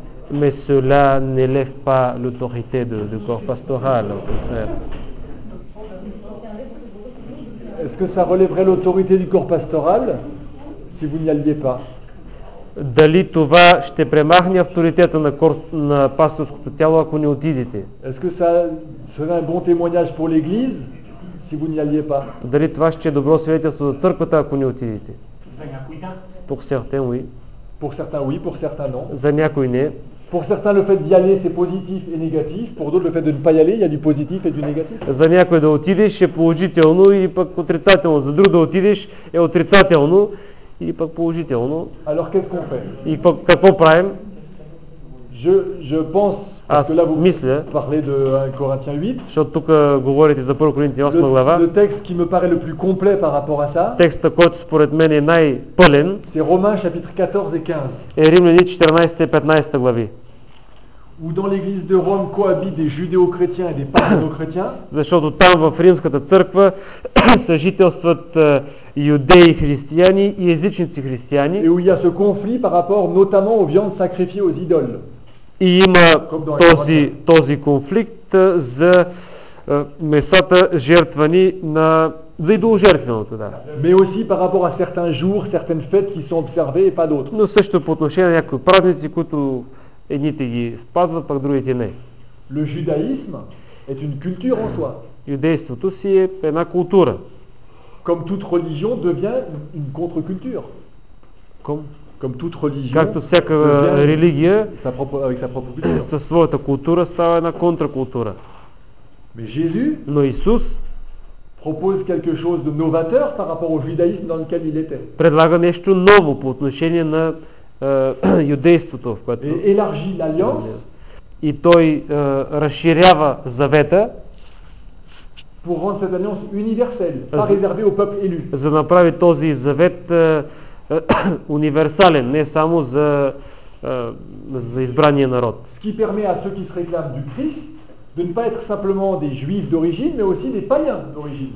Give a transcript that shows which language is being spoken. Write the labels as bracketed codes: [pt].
[fr] Mais cela n'élève pas l'autorité de corps pastoral, au contraire. Est-ce que ça relèverait l'autorité du corps pastoral si vous n'y alliez pas? [bg] Дали това ще премахне авторитета на пасторското тяло, ако не отидете? [fr] Est-ce que ça serait un bon témoignage pour l'église si vous n'y alliez pas? [bg] Дали това ще е добро свидетелство за църквата, ако не отидете? За някой да. [fr] Pour certains, oui. Pour certains, oui. Pour certains, non. [bg] За някой не. [fr] Pour certains, le fait d'y aller, c'est positif et négatif. Pour d'autres, le fait de ne pas y aller, il y a du positif et du négatif. [bg] За някой да отидеш е положително и пък отрицателно. За друг да отидеш е отрицателно и пък положително. [fr] Alors, qu'est-ce qu'on fait? [bg] И какво правим? [fr] Je pense, parce que là vous [bg] мисля, [fr] parlez de 1 Corinthiens 8, [bg] защото тук говорите за 1 Коринтия 8 глава. [fr] Le texte qui me paraît le plus complet par rapport à ça. [bg] Текстът, който според мен е най-пълен. [fr] C'est Romains chapitre 14 et 15. [bg] Et Римляни 14 et 15 глави. [fr] Où dans l'église de Rome cohabitent des judéo-chrétiens et des paléo-chrétiens. [bg] Защото там в римската църква съжителстват юдеи християни и езичници християни. [fr] Et où il y a ce conflit par rapport notamment aux viandes sacrifiées aux idoles. [bg] И има този конфликт за месата жертвани на за идоложертвеното, да. [fr] Mais aussi par rapport à certains jours, certaines fêtes qui sont observées et pas d'autres. [bg] Но също по отношение на някои празници, които едните ги спазват, пък другите не. [fr] Le judaïsme est une culture en soi. [bg] Юдейството си е една култура. [fr] Comme toute religion devient une contre-culture. Comme toute religion, [bg] както всяка религия [fr] sa propre, avec sa propre culture. [bg] Със своята култура става една контракултура. [fr] Mais Jésus, [bg] но Исус [fr] propose quelque chose de novateur par rapport au judaïsme dans lequel il était. [bg] Предлага нещо ново по отношение на юдейството, в което [fr] élargit l'alliance. [bg] И той разширява завета [fr] pour rendre cette alliance universelle, pas réservée au peuple élu. [bg] За да направи този завет универсален, не само за за избрания народ. [fr] Ce qui permet à ceux qui se réclament du Christ de ne pas être simplement des juifs d'origine, mais aussi des païens d'origine.